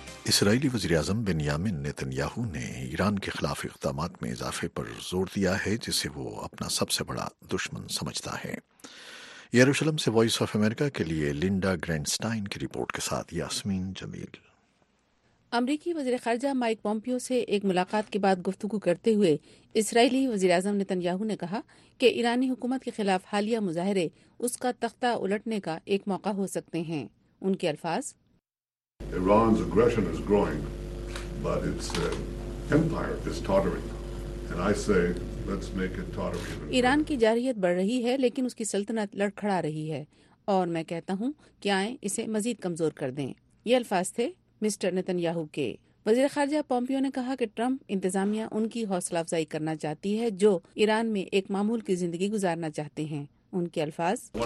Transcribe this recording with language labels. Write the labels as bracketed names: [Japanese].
[Urdu] اسرائیلی وزیراعظم بنیامین نیتن یاہو نے ایران کے خلاف اقدامات میں اضافے پر زور دیا ہے، جسے وہ اپنا سب سے بڑا دشمن سمجھتا ہے۔ یروشلم سے وائس آف امریکہ کے لیے لنڈا گرینڈ سٹائن کی رپورٹ کے ساتھ یاسمین جمیل۔ امریکی وزیر خارجہ مائک پومپیو سے ایک ملاقات کے بعد گفتگو کرتے ہوئے اسرائیلی وزیراعظم نیتن یاہو نے کہا کہ ایرانی حکومت کے خلاف حالیہ مظاہرے اس کا تختہ الٹنے کا ایک موقع ہو سکتے ہیں۔ ان کے الفاظ، [English] Iran's aggression is growing, but its empire is tottering. And I say, let's make it totter even more. [Urdu] Iran کی جارحیت بڑھ رہی ہے لیکن اس کی سلطنت لڑکھڑا رہی ہے، اور میں کہتا ہوں کہ آئیں اسے مزید کمزور کر دیں۔ یہ الفاظ تھے مسٹر نیتن یاہو کے۔ وزیر خارجہ پومپیو نے کہا کہ ٹرمپ انتظامیہ ان کی حوصلہ افزائی کرنا چاہتی ہے جو ایران میں ایک معمول کی زندگی گزارنا چاہتے ہیں۔ ان کے الفاظ،